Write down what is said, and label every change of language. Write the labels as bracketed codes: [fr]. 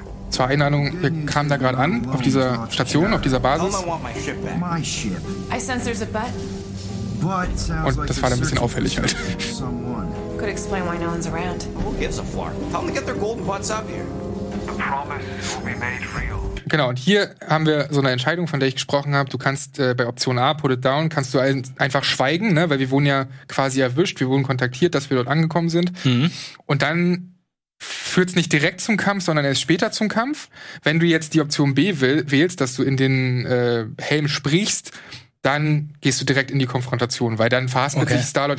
[de] Zwar eine Ahnung, wir kamen da gerade an, auf dieser Station, auf dieser Basis. Und das war dann ein bisschen auffällig halt. [en] Could explain why no one's around. Who gives a fuck? Tell them to get their golden butts up here. The promise will be made real. [de] Genau, und hier haben wir so eine Entscheidung, von der ich gesprochen habe. Du kannst bei Option A, [en] put it down, [de] kannst du einfach schweigen, ne? Weil wir wurden ja quasi erwischt, wir wurden kontaktiert, dass wir dort angekommen sind. Mhm. Und dann führt es nicht direkt zum Kampf, sondern erst später zum Kampf. Wenn du jetzt die Option B wählst, dass du in den Helm sprichst, dann gehst du direkt in die Konfrontation, weil dann verhasst man sich Star-Lord.